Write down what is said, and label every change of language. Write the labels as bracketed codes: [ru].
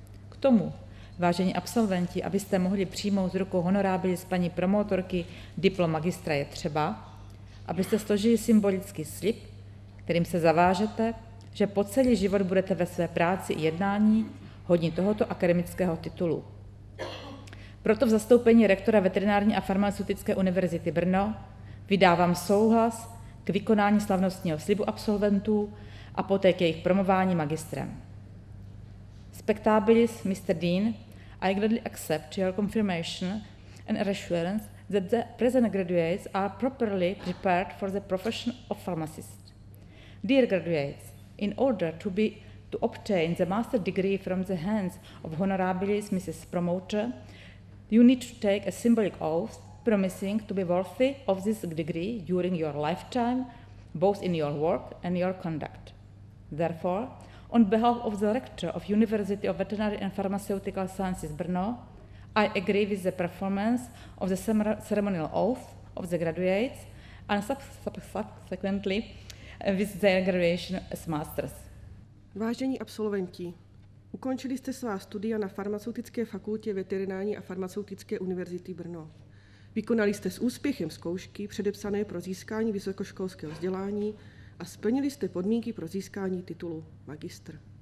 [cs] K tomu, vážení absolventi, abyste mohli přijmout z rukou honorabilis paní promotorky diplom magistra, je třeba, abyste složili symbolický slib, kterým se zavážete, že po celý život budete ve své práci i jednání hodni tohoto akademického titulu. Proto v zastoupení rektora Veterinární a farmaceutické univerzity Brno vydávám souhlas k vykonání slavnostního slibu absolventů a poté k jejich promování magistrem. [en] Spectabilis, Mr. Dean, I gladly accept your confirmation and assurance that the present graduates are properly prepared for the profession of pharmacist. Dear graduates, in order to obtain the master's degree from the hands of honorabilis Mrs. Promoter, You need to take a symbolic oath promising to be worthy of this degree during your lifetime, both in your work and your conduct. Therefore, on behalf of the Rector of University of Veterinary and Pharmaceutical Sciences Brno, I agree with the performance of the ceremonial oath of the graduates and subsequently with their graduation as masters. [cs] Vážení absolventi, ukončili jste svá studia na Farmaceutické fakultě Veterinární a Farmaceutické univerzity Brno. Vykonali jste s úspěchem zkoušky předepsané pro získání vysokoškolského vzdělání a splnili jste podmínky pro získání titulu magistr.